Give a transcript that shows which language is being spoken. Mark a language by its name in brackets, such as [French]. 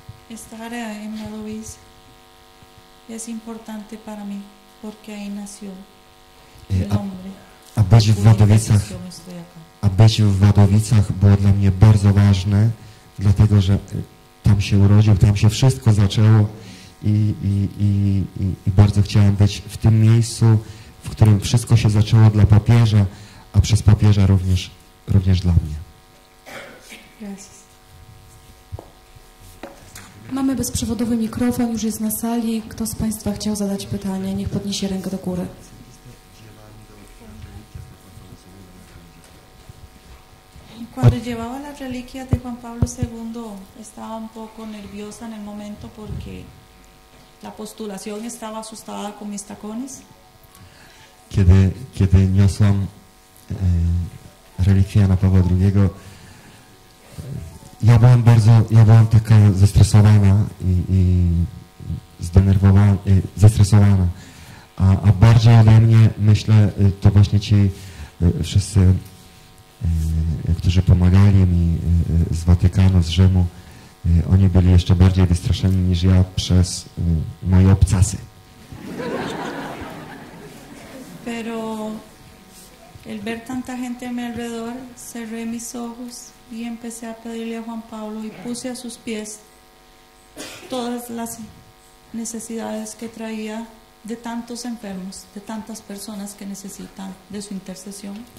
[Spanish] Estar en Madrid es importante para mí porque ahí nació el hombre. [Polish] A być w Wadowicach było dla mnie bardzo ważne, dlatego że tam się urodził, tam się wszystko zaczęło i bardzo chciałem być w tym miejscu, w którym wszystko się zaczęło dla papieża, a przez papieża również dla mnie. [Spanish] Gracias. [Polish] Mamy bezprzewodowy mikrofon, już jest na sali. Kto z Państwa chciał zadać pytanie, niech podniesie rękę do góry. [Spanish] Cuando llevaba las reliquias de Juan Pablo II, estaba un poco nerviosa en el momento porque la postulación estaba asustada con mis tacones. [Polish] Kiedy niosłam relikwie Jana Pawła II, Ja byłam taka zestresowana i zdenerwowana, zestresowana. A bardziej ode mnie, myślę, to właśnie ci wszyscy którzy pomagali mi z Watykanu, z Rzymu, oni byli jeszcze bardziej wystraszeni niż ja przez moje obcasy. [Spanish] Pero el ver tanta gente a mi alrededor, cerré mis ojos y empecé a pedirle a Juan Pablo y puse a sus pies todas las necesidades que traía de tantos enfermos, de tantas personas que necesitan de su intercesión.